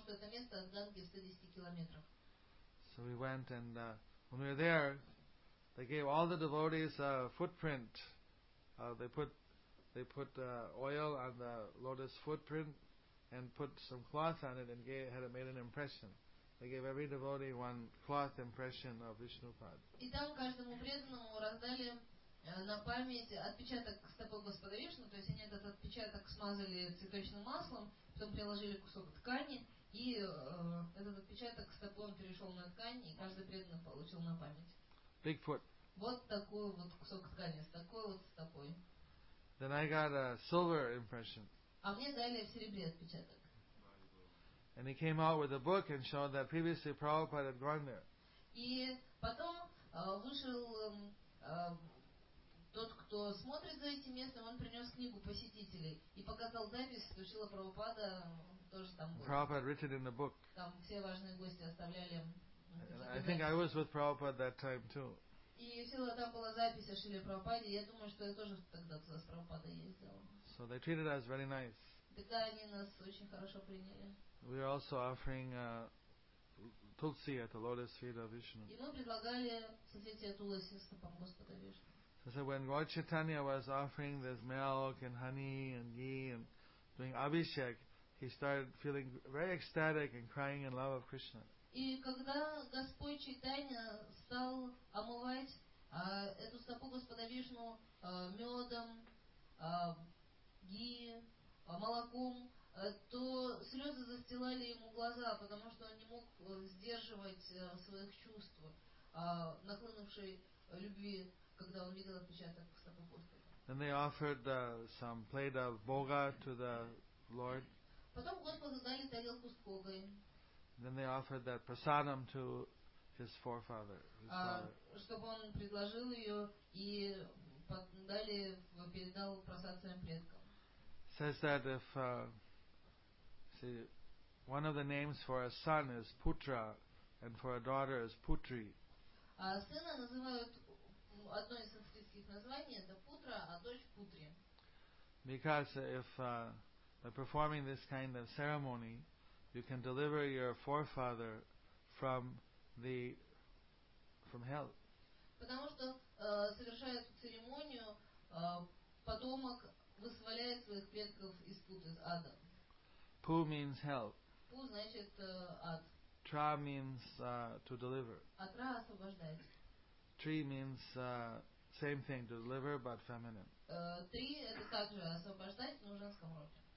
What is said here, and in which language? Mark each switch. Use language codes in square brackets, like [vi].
[en] So we went, and when we were there, they gave all the devotees a footprint. They put oil on the lotus footprint and put some cloth on it and made an impression. They gave every devotee one cloth impression of Vishnupad. [ru] И там каждому преданному раздали на память отпечаток стопы Господа Вишну, то есть они этот отпечаток смазали цветочным маслом, потом приложили кусок ткани, и этот отпечаток стопы он перешел на ткань, и каждый преданный получил на память. [en] Bigfoot. [ru] Вот такой вот кусок ткани, с такой вот стопой. [en] Then I got a silver impression. [ru] А мне дали в серебре отпечаток. [en] And he came out with a book and showed that previously Prabhupada had gone there. [ru] И потом вышел тот, кто смотрит за этим местом, он принес книгу посетителей и показал запись, что Шрила Прабхупада тоже там был. [en] Prabhupada had written in the book. [ru] Там все важные гости оставляли. [en] I think I was with Prabhupada that time too. [ru] И Шрила там была запись о Шриле Прабхупаде, я думаю, что я тоже тогда с Прабхупадой ездила. [en] So they treated us very nice. [ru] Тогда они нас очень хорошо приняли. [en] We are also offering tulsi at the lotus feet of Vishnu. [ru] И мы предлагали соцветие туласи стопам Господа Вишну. [en] So when Lord Chaitanya was offering this milk and honey and ghee and doing abhishek, he started feeling very ecstatic and crying in love of Krishna. [ru] И когда Господь Чайтанья стал омывать эту стопу Господа Вишну медом, ги, молоком, то слезы застилали ему глаза, потому что он не мог сдерживать своих чувств, нахлынувшей любви, когда он видел отпечаток стопы Господа. [en] Then they offered some plate of boga to the Lord. [ru] Потом Господу дали тарелку с богой. [en] Then they offered that prasadam to his forefather. [ru] Чтобы он предложил ее и дали, передал просад своим предкам. [en] Says that if one of the names for a son is Putra and for a daughter is Putri. [ru] Сына называют одно из санскритских названий это Путра, а дочь Путри. [en] Because if by performing this kind of ceremony you can deliver your forefather from hell. [ru] Потому что совершая эту церемонию, потомок вызволяет своих предков из пут, из ада. [en] Pu means hell. [ru] Pu значит ад. [en] Tra means to deliver. [ru] Атра освобождает. [en] Tri means same thing, to deliver, but feminine. [ru] Три это также освобождать, но в женском роде.